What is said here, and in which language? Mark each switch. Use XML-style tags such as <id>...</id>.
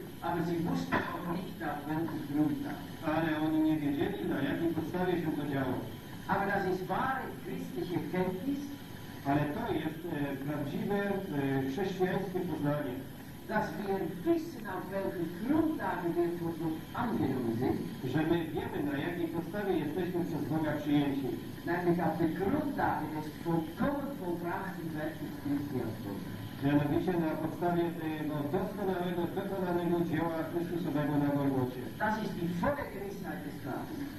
<de>Aber sie wussten auch nicht auf welchem Grund.</de> <pl>Ale oni nie wiedzieli, na jakiej podstawie się to działo.</pl> <de>Aber das ist wahre christliche Kenntnis.</de> <pl>Ale to jest prawdziwe chrześcijańskie poznanie.</pl> <de>Dass wir wissen, auf welchen Grundlage wir von Gott angenommen sind.</de> <pl>Że my wiemy, na jakiej podstawie jesteśmy przez Boga przyjęci.</pl> <de>Nämlich auf der Grundlage des vollkommen vollbrachten Werkes Christi auf Gott.</de> <pl>Mianowicie na podstawie tego doskonałego, wykonanego dzieła Chrystusowego na Golgocie.</pl> <de>Das ist die volle Gewissheit des Glaubens.</de>